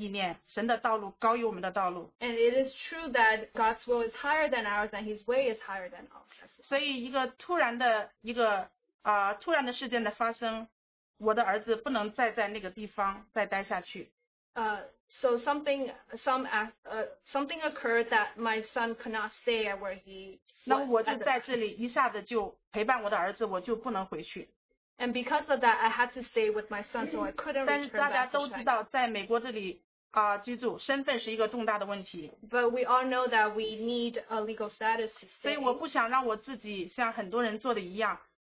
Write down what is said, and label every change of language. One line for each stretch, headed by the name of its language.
Chinese: 但是真的是神的意念高于我们的意念，神的道路高于我们的道路。
English: And it is true that God's will is higher than ours and his way is higher than ours.
Chinese: 所以一个突然的一个 突然的事件的发生, 我的儿子不能再在那个地方再待下去。
English: So something occurred that my son could not stay at where he was.
Chinese: 那我就在这里一下子就陪伴我的儿子, 我就不能回去。
English: And because of that, I had to stay with my son, so I couldn't return back to China.
Chinese: 但是大家都知道在美国这里, 居住, 身份是一个重大的问题。
English: But we all know that we need a legal status to stay.
Chinese: 所以我不想让我自己像很多人做的一样,